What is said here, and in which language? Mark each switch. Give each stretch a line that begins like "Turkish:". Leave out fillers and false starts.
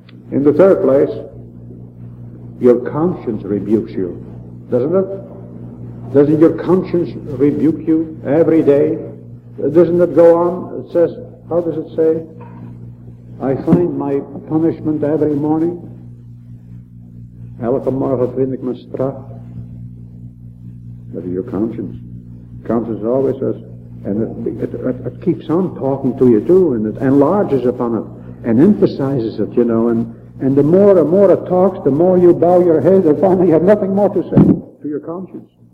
English: In the third place, your conscience rebukes you, doesn't it? Doesn't your conscience rebuke you every day? Doesn't it go on? It says, how does it say? I find my punishment every morning.
Dutch: Elke morgen vind ik mijn straf.
English: That is your conscience. Conscience always says, and it keeps on talking to you too, and it enlarges upon it, and emphasizes it, you know, and the more and more it talks, the more you bow your head, and finally you have nothing more to say to your conscience.